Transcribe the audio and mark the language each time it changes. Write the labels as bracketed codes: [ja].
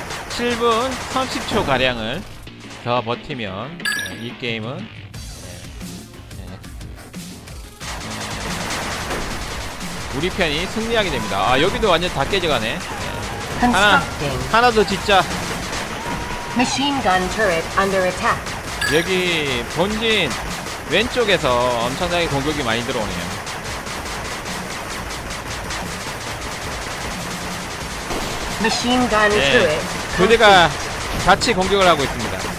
[ko] 7분 30초 가량을 더 버티면 예, 이 게임은 예, 예, 우리 편이 승리하게 됩니다. 아 여기도 완전 다 깨져가네. 예, 하나 더 짓자. [en] Machine gun turret under attack. [ko] 여기 본진 왼쪽에서 엄청나게 공격이 많이 들어오네요. [en] Machine gun [ko] 네. [en] turret. [ko] 부대가 같이 공격을 하고 있습니다.